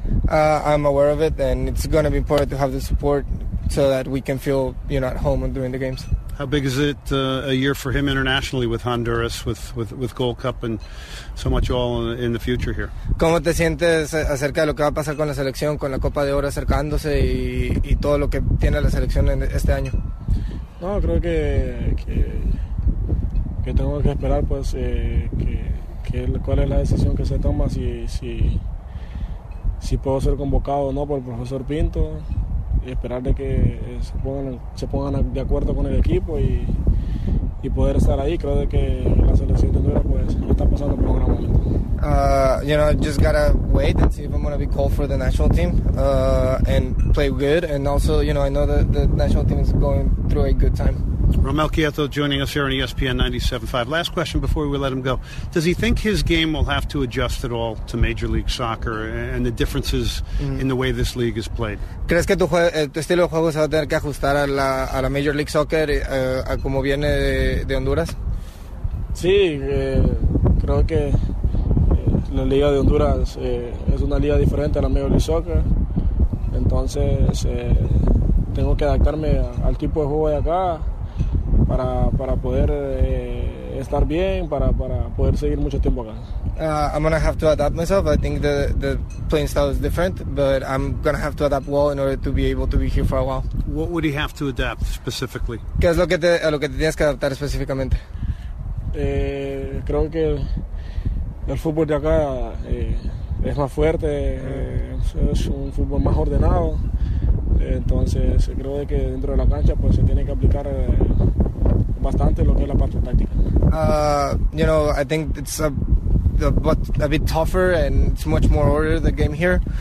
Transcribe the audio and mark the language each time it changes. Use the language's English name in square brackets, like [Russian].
[English] I'm aware of it, and it's going to be important to have the support so that we can feel, you know, at home and during the games. How big is it a year for him internationally with Honduras, with Gold Cup and so much all in the future here? [Spanish] ¿Cómo te sientes acerca de lo que va a pasar con la selección, con la Copa de Oro acercándose y todo lo que tiene la selección en este año? No, creo que tengo que esperar pues que cuál es la decisión que se toma, si puedo ser convocado o no por el profesor Pinto. Esperar de que se pongan de acuerdo con el equipo y poder estar ahí. Creo de que la selección de Honduras pues está pasando por un gran momento. [English] You know, just gotta wait and see if I'm gonna be called for the national team and play good. And also, you know, I know that the national team is going through a good time. Romel Kyoto joining us here on ESPN 97.5. Last question before we let him go. Does he think his game will have to adjust at all to Major League Soccer and the differences in the way this league is played? [Spanish] ¿Crees que tu estilo de juego se va a tener que ajustar a la Major League Soccer a como viene de Honduras? Sí, creo que la liga de Honduras es una liga diferente a la Major League Soccer. Entonces, tengo que adaptarme al tipo de juego de acá para poder estar bien, para poder seguir mucho tiempo acá. [English] I'm going to have to adapt myself. I think the playing style is different, but I'm going to have to adapt well in order to be able to be here for a while. What would he have to adapt specifically? [Spanish] ¿Qué es lo que te tienes que adaptar específicamente? Creo que el fútbol de acá es más fuerte, es un fútbol más ordenado. Entonces, creo de que dentro de la cancha pues se tiene que aplicar bastante lo que es la parte táctica. [English] You know, I think it's a bit tougher and it's much more ordered, the game here.